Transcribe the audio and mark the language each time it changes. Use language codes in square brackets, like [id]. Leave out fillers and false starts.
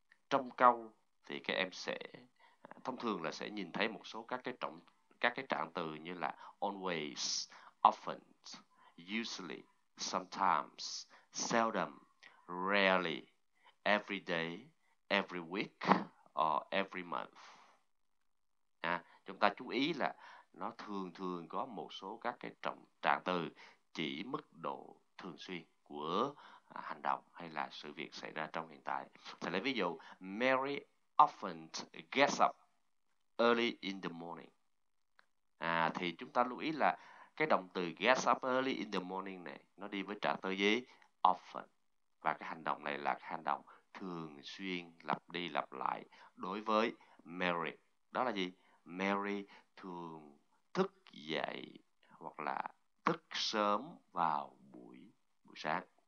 [vi] Trong câu thì các em sẽ thông thường là sẽ nhìn thấy một số các cái trạng từ như là [en] always, often, usually, sometimes, seldom, rarely, every day, every week or every month. [vi] Chúng ta chú ý là nó thường thường có một số các cái trạng từ chỉ mức độ thường xuyên của hành động hay là sự việc xảy ra trong hiện tại. Thì lấy ví dụ [en] Mary often gets up early in the morning. [vi] Thì chúng ta lưu ý là cái động từ [en] get up early in the morning [vi] này nó đi với trạng từ gì? Often. Và cái hành động này là cái hành động thường xuyên lặp đi lặp lại đối với Mary. Đó là gì? Mary thường thức dậy hoặc là thức sớm vào buổi sáng.